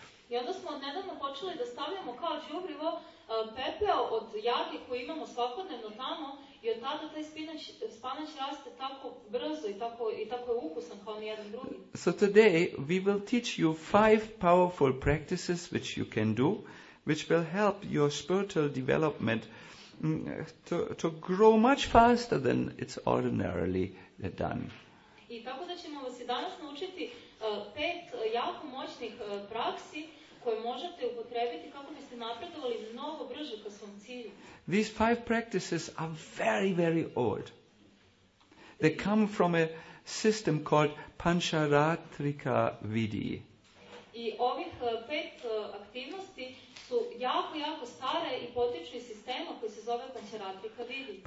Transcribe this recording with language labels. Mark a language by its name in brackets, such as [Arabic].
[Serbian] I onda smo nedavno počeli da stavljamo kao džubrivo pepeo od jagnje koje imamo svakodnevno tamo, i od tada taj spinač raste tako brzo i tako je ukusan kao ni jedan drugi. [English] So today we will teach you 5 powerful practices which you can do, which will help your spiritual development to grow much faster than it's ordinarily done. [Serbian] I tako da ćemo vas i danas naučiti 5 jako moćnih praksi koje možete upotrebiti kako biste napredovali mnogo brže ka svom cilju. [English] These 5 practices are very, very old. They come from a system called Pancharatrika Vidhi. [Serbian] I ovih 5 aktivnosti su jako, jako stare i potiču iz sistema koji se zove Pancharatrika Vidhi.